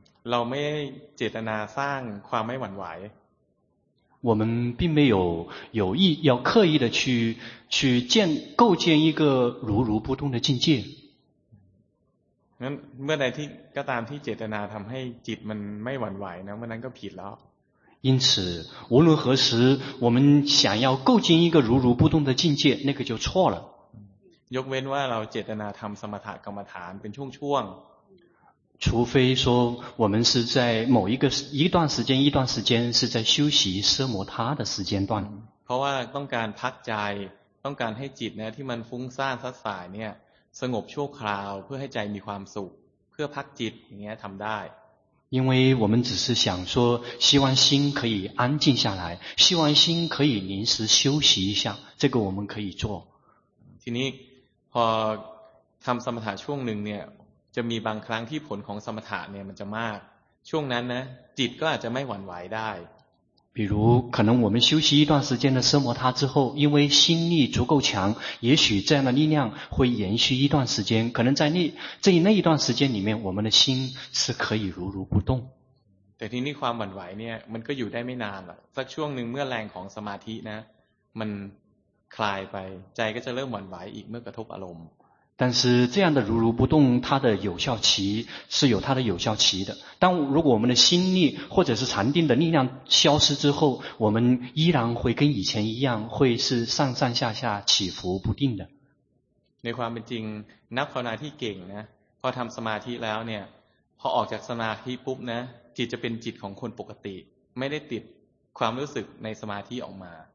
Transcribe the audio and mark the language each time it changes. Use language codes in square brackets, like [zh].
[th] เราไม่เจตนาสร้างความไม่หวั่นไหว [zh] 我们并没有意要刻意的去构建一个如如不动的境界。 [th] งั้นเมื่อใดที่ก็ตามที่เจตนาทําให้จิตมันไม่หวั่นไหวนะเมื่อนั้นก็ผิดแล้ว [zh] 因此无论何时我们想要构建一个如如不动的境界那个就错了。 [th] ยกเว้นว่าเราเจตนาทำสมถกรรมฐานเป็นช่วง [zh] ๆ除非说我们是在某一个一段时间是在休息奢摩他的时间段 [th] เพราะว่าต้องการพักใจต้องการให้จิตนะที่มันฟุ้งซ่านซัดสายเนี่ยสงบชั่วคราวเพื่อให้ใจมีความสุขเพื่อพักจิตอย่างเงี้ยทำได้ [zh] 因为我们只是想说希望心可以安静下来希望心可以临时休息一下这个我们可以做 [th] ทีนี้พอทำสมถะช่วงหนึ่งเนี่ยจะมีบางครั้งที่ผลของสมถะเนี่ยมันจะมากช่วงนั้นนะจิตก็อาจจะไม่หวั่นไหวได้ [zh] 比如可能我们休息一段时间的奢摩他之后因为心力足够强也许这样的力量会延续一段时间可能在那一段时间里面我们的心是可以如如不动 [th] แต่ทีนี้ความหวั่นไหวเนี่ยมันก็อยู่ได้ไม่นานหรอกสักช่วงหนึ่งเมื่อแรงของสมาธินะมันคลายไปใจก็จะเริ่มหวั่นไหวอีกเมื่อกระทบอารมณ์ [zh] 但是这样的如如不动它的有效期是有它的有效期的但如果我们的心力或者是禅定的力量消失之后我们依然会跟以前一样会是上上下下起伏不定的 [th] ในความเป็นจริงนักภาวนาที่เก่งนะพอทำสมาธิแล้วเนี่ยพอออกจากสมาธิปุ๊บนะจิตจะเป็นจิตของคนปกติไม่ได้ติดความรู้สึกในสมาธิออกมา